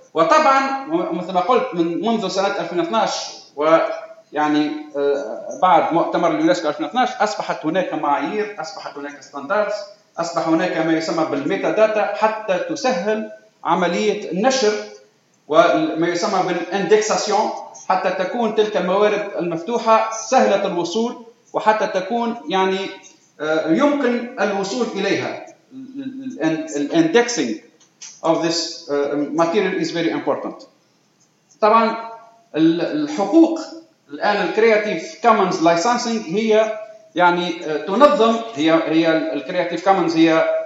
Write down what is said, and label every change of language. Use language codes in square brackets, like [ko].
[ar] وطبعا مثل ما قلت منذ سنة 2012 ويعني بعد مؤتمر اليونسكو 2012 أصبحت هناك معايير، أصبحت هناك ستاندرز، أصبح هناك ما يسمى بالميتا داتا حتى تسهل عملية النشر وما يسمى بالاندكساسيون، حتى تكون تلك الموارد المفتوحة سهلة الوصول، وحتى تكون يعني يمكن الوصول إليها. [en] الاندكسينج of this material is very important. [ar] طبعا الحقوق الآن الكرياتيف كومنز لايسنسينج هي يعني تنظم، هي الكرياتيف كومنز هي